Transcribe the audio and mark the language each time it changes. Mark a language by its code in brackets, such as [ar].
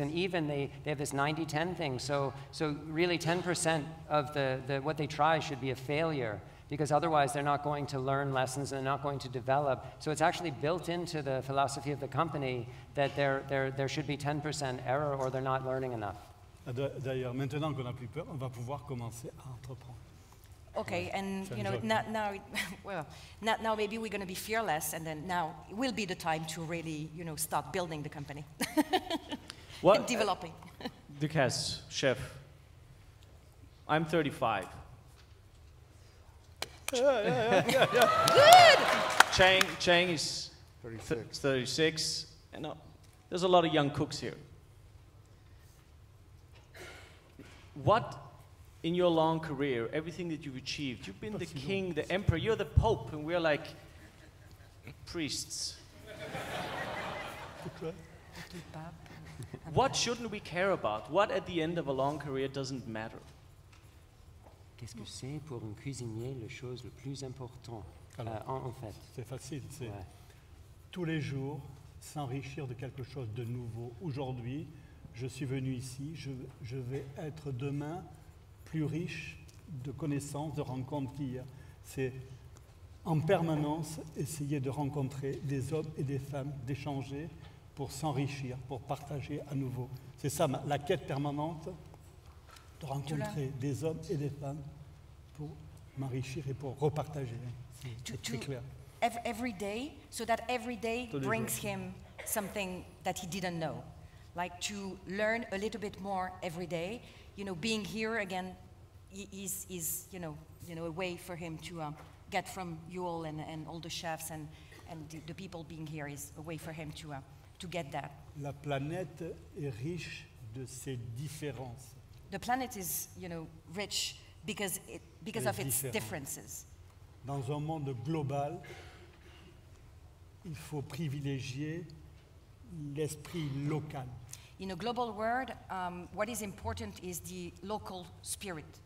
[en] And even they have this 90-10 thing. So really 10% of the what they try should be a failure. Because otherwise they're not going to learn lessons and they're not going to develop. So it's actually built into the philosophy of the company that there should be 10% error or they're not learning enough. [fr] D'ailleurs, maintenant qu'on a plus peur, on va pouvoir commencer à entreprendre. [en] Okay, ouais, and you know, now maybe we're going to be fearless, and then now will be the time to really, you know, start building the company. What? And developing. Dukas, chef. I'm 35. Good. Chang is 36. And there's a lot of young cooks here. What in your long career, everything that you've achieved, you've been the king, the emperor, you're the pope, and we're like priests. What shouldn't we care about? What at the end of a long career doesn't matter? [fr] Qu'est-ce que c'est pour un cuisinier la chose le plus important? Alors, en fait, c'est facile, c'est ouais. Tous les jours s'enrichir de quelque chose de nouveau. Aujourd'hui, je suis venu ici, je vais être demain plus riche de connaissances, de rencontres qu'hier. C'est en permanence essayer de rencontrer des hommes et des femmes, d'échanger pour s'enrichir, pour partager à nouveau. C'est ça, la quête permanente. De rencontrer des hommes et des femmes pour m'enrichir et pour repartager. C'est très clair. [en] Every day, so that every day brings him something that he didn't know. Like to learn a little bit more every day. You know, being here again is you know, a way for him to get from you all and all the chefs and the people being here is a way for him to get that. [fr] La planète est riche de ses différences. [en] The planet is, you know, rich because of its differences. [fr] Dans un monde global, il faut privilégier l'esprit local. [en] In a global world, what is important is the local spirit.